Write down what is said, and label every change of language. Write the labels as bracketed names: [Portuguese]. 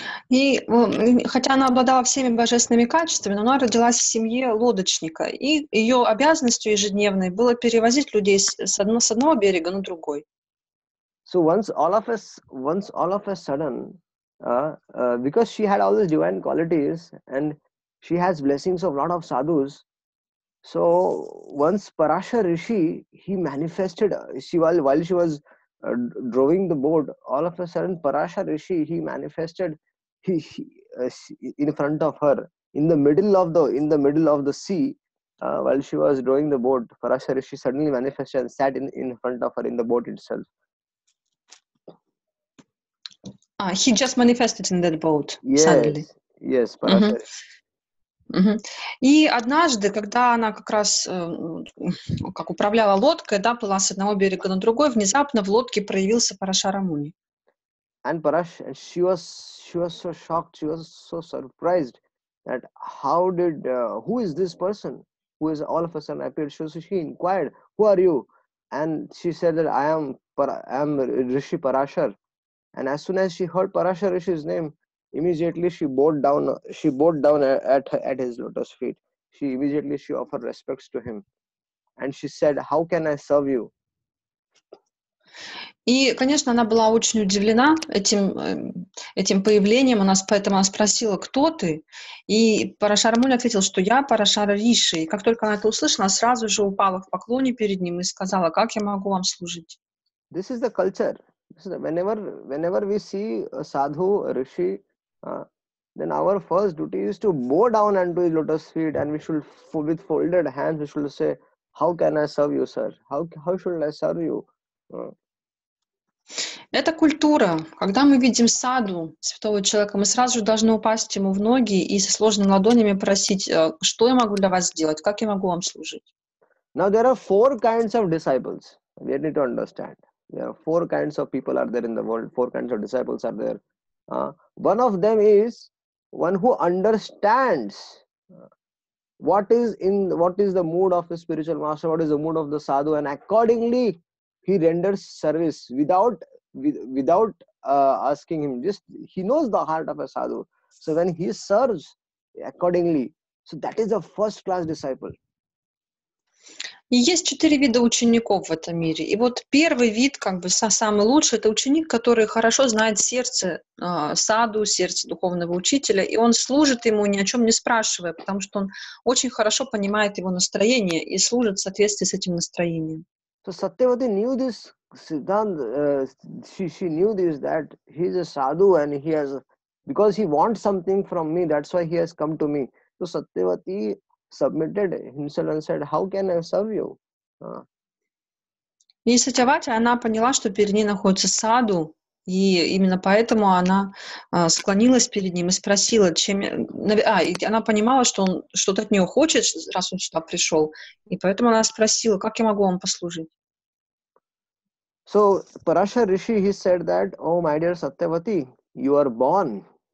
[Russian] И хотя она обладала всеми божественными качествами, но она родилась в семье лодочника, и ее обязанностью ежедневной было перевозить людей с одного берега на другой. [English] So once all of a sudden, because she had all these divine qualities and she has blessings of lot of sadhus. So once Parashar Rishi, he manifested, while she was drawing the boat, all of a sudden Parashar Rishi, he manifested in front of her, in the middle of the sea, while she was drawing the boat, Parashar Rishi suddenly manifested and sat in front of her in the boat itself. He just manifested in that boat, yes, suddenly. Yes, Parashar Rishi. [Russian] И однажды, когда она как раз как управляла лодкой, да, плыла с одного берега на другой, внезапно в лодке проявился Парашара Муни. [English] And she was so shocked, she was so surprised that how did who is this person who is all of a sudden appeared. So she inquired, who are you? And she said that I am Rishi Parashar. And as soon as she heard Parashara Rishi's name, immediately she bowed down at his lotus feet. She immediately offered respects to him. And she said, how can I serve you? [Russian] И, конечно, она была очень удивлена этим появлением. Поэтому она спросила, кто ты? И Парашара Муни ответил, что я Парашара Риши. И как только она это услышала, она сразу же упала в поклоне перед ним и сказала, как я могу вам служить? [English] This is the culture. Whenever we see a sadhu, a rishi, then our first duty is to bow down unto his lotus feet, and we should, with folded hands, we should say, how can I serve you, sir? How should I serve you? [Russian] Это культура. Когда мы видим саду святого человека, мы сразу же должны упасть ему в ноги и со сложными ладонями просить, что я могу для вас сделать, как я могу вам служить. [English] Now there are four kinds of disciples. We need to understand. There are four kinds of people are there in the world. Four kinds of disciples are there. One of them is one who understands what is the mood of the spiritual master, what is the mood of the sadhu, and accordingly he renders service without asking him. Just he knows the heart of a sadhu. So when he serves accordingly, so that is a first class disciple. [Russian] И есть четыре вида учеников в этом мире. И вот первый вид, как бы самый лучший, это ученик, который хорошо знает сердце саду, сердце духовного учителя, и он служит ему, ни о чем не спрашивая, потому что он очень хорошо понимает его настроение и служит в соответствии с этим настроением. [English] So Satyavati knew this Siddhant, she knew this, that he's a sadhu and he has, because he wants something from me, that's why he has come to me. So Satyavati submitted himself and said, how can I serve you? [Russian] И Сатьявати, она поняла, что перед ней находится саду, и именно поэтому она склонилась перед ним и спросила, чем... и она понимала, что он что-то от нее хочет, раз он сюда пришел, и поэтому она спросила, как я могу вам послужить? [English] So, Parashar Rishi, he said that, oh, my dear Satyavati, you are born